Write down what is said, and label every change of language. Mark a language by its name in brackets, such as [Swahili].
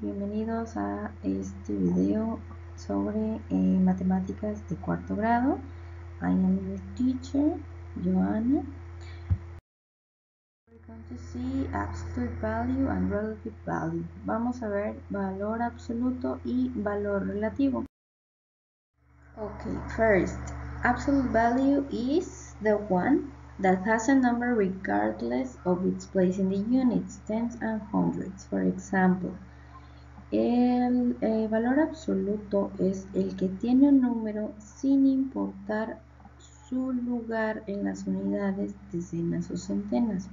[Spanish] Bienvenidos a este video sobre matemáticas de cuarto grado. [English] I am your teacher, Joanna. We're going to see absolute value and relative value. [Spanish] Vamos a ver valor absoluto y valor relativo. [English] Okay, first, absolute value is the one that has a number regardless of its place in the units, tens and hundreds. For example, [Spanish] el valor absoluto es el que tiene un número sin importar su lugar en las unidades, decenas o centenas.